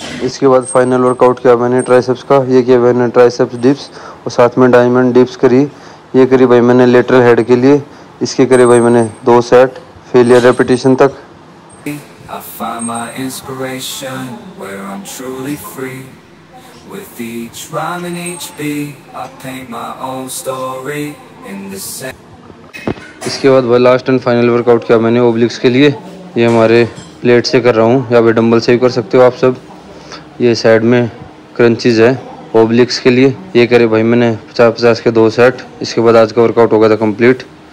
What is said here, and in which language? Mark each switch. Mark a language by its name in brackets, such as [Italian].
[Hindi] इसके बाद final workout किया मैंने ट्राइसेप्स का, ये किया मैंने ट्राइसेप्स डिप्स और साथ में डायमंड डिप्स करी, ये करी भाई मैंने लेटरल हेड के लिए, इसके करे भाई मैंने 2 सेट फेलियर रेपिटेशन तक। [English] I find my inspiration where I'm truly free. With each rhyme and each beat, I paint my own story in the sand. [Hindi] इसके बाद भाई लास्ट एंड फाइनल वर्कआउट किया मैंने ओब्लिक्स के लिए, ये हमारे प्लेट से कर रहा हूँ या फिर डंबल से भी कर सकते हो आप सब। ये साइड में क्रंचीज है ओब्लिक्स के लिए, ये करे भाई मैंने 50-50 के 2 सेट। इसके बाद आज का वर्कआउट हो गया था कंप्लीट।